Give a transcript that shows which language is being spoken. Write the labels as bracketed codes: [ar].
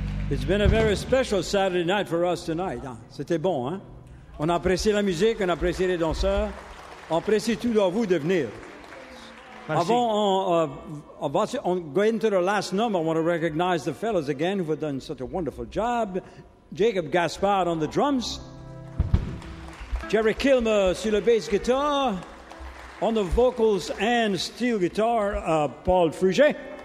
[en] It's been a very special Saturday night for us tonight. [fr] C'était bon, hein? On apprécie la musique, on apprécie les danseurs. On apprécie tout de vous de venir. Merci. [en] Avant, on go into the last number, I want to recognize the fellows again who have done such a wonderful job. Jacob Gaspard on the drums. Jerry Kilmer sur le bass guitar. On the vocals and steel guitar, Paul Fruget.